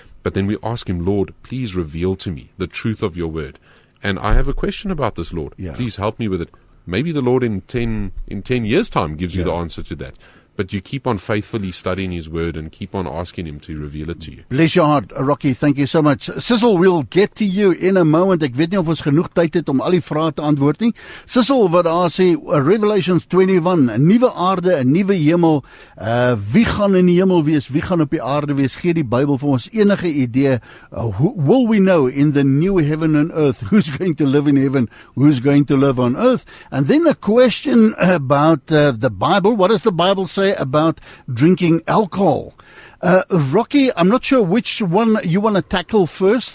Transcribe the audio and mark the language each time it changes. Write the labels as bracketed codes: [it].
[en] But then we ask Him, Lord, please reveal to me the truth of Your Word. And I have a question about this, Lord. Yeah. Please help me with it. Maybe the Lord in 10 years' time gives you the answer to that. But you keep on faithfully studying His Word and keep on asking Him to reveal it to you. Bless your heart, Rocky. Thank you so much. Sissel, we'll get to you in a moment. [af] Ek weet nie of ons genoeg tyd het om al die vrae te antwoord nie. Sissel, wat daar sê, Revelations 21, 'n nuwe aarde, 'n nuwe hemel. Wie gaan in die hemel wees? Wie gaan op die aarde wees? Gee die Bybel vir ons enige idee. [en] Will we know in the new heaven and earth? Who's going to live in heaven? Who's going to live on earth? And then a question about the Bible. What does the Bible say about drinking alcohol? Rocky, I'm not sure which one you want to tackle first.